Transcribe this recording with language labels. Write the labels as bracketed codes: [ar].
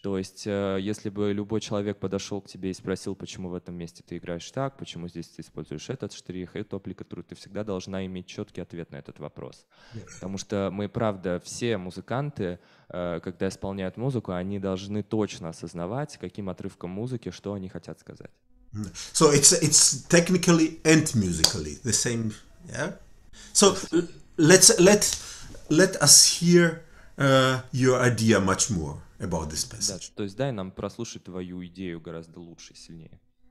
[ru] То есть, если бы любой человек подошел к тебе и спросил, почему в этом месте ты играешь так, почему здесь ты используешь этот штрих, эту аппликатуру, ты всегда должна иметь четкий ответ на этот вопрос. Потому что мы, правда, все музыканты, когда исполняют музыку, они должны точно осознавать, каким отрывком музыки, что они хотят сказать. [en] So it's technically and musically the same, yeah. So let us hear your idea much more about this passage. [ru] То есть дай нам прослушать твою идею гораздо лучше, сильнее.